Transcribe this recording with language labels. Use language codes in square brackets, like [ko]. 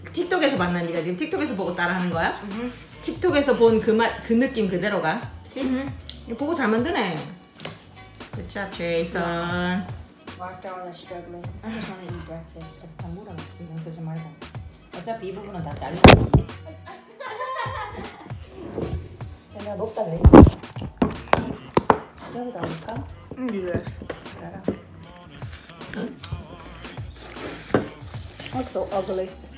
[ko] 틱톡에서 만난 니가 지금 틱톡에서 보고 따라하는 거야? 틱톡에서 본 그 맛, 그 느낌 그대로 가. [en] See? [ko] 이거 보고 잘 만드네. [en] Good job, Jason. Walked down the struggling. I just want to eat breakfast. [ko] 밥 먹으러 가서 말고. 어차피 이 부분은 다 잘린 거야. 내가 먹다 그랬지. 여기 나올까? 응, 이래. 알아. [en] Looks so ugly.